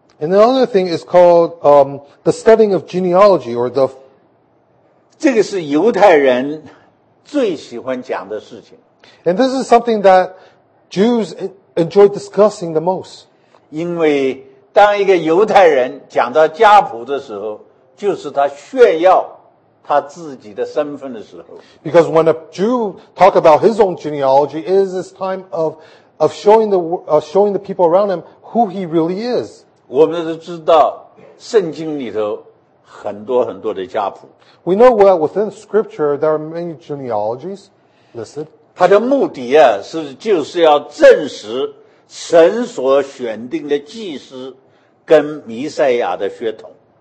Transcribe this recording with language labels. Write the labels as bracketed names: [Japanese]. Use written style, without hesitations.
[English] And another thing is called, the studying of genealogy or the [Chinese] 这个是犹太人最喜欢讲的事情。 [English] And this is something that Jews enjoy discussing the most. [Chinese] 因为当一个犹太人讲到家谱的时候，就是他炫耀他自己的身份的时候。 [English] Because when a Jew talk about his own genealogy, it is this time of showing the people around him who he really is. [Chinese] 我们都知道圣经里头很多很多的家谱。 [English] We know that within scripture there are many genealogies listed. [Chinese] 他的目的啊，是就是要证实神所选定的祭司跟弥赛亚的血统。